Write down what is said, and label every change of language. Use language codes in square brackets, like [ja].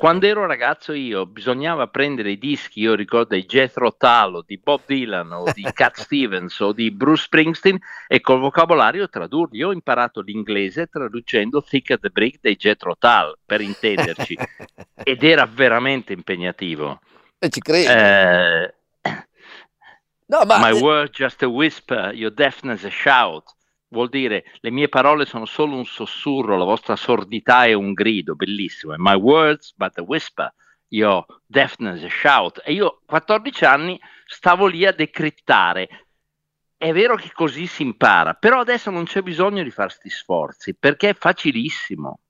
[it] Quando ero ragazzo io, bisognava prendere i dischi, io ricordo i Jethro Tull, di Bob Dylan, o di Cat Stevens, o di Bruce Springsteen, e col vocabolario tradurli. Io ho imparato l'inglese traducendo Thick as a Brick dei Jethro Tull, per intenderci. Ed era veramente impegnativo. E ci credo. No, ma... [en] My word just a whisper, your deafness a shout. [it] Vuol dire: le mie parole sono solo un sussurro, la vostra sordità è un grido. Bellissimo. [en] My words but a whisper, your deafness a shout. [it] E io, 14 anni, stavo lì a decrittare. È vero che così si impara, però adesso non c'è bisogno di fare sti sforzi, perché è facilissimo.